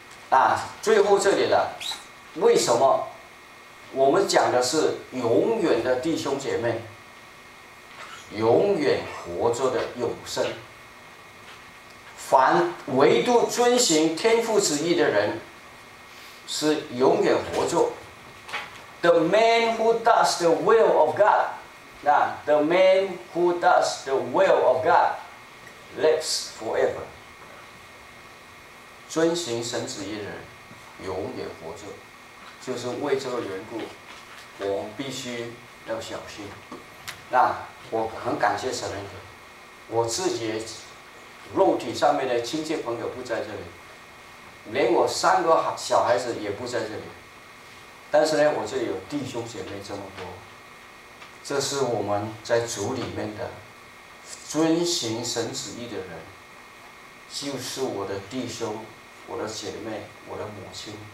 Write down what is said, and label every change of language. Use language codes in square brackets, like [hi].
[zh] 啊，最后这里的，为什么我们讲的是永远的弟兄姐妹，永远活着的永生？凡唯独遵循天父旨意的人，是永远活着。 [en] The man who does the will of God, the man who does the will of God lives forever. [zh] 遵循神旨意的人，永远活着。就是为这个缘故，我们必须要小心。那我很感谢神恩典，我自己肉体上面的亲戚朋友不在这里，连我三个小孩子也不在这里，但是呢，我这里有弟兄姐妹这么多，这是我们在主里面的遵循神旨意的人，就是我的弟兄、我的姐妹、我的母亲。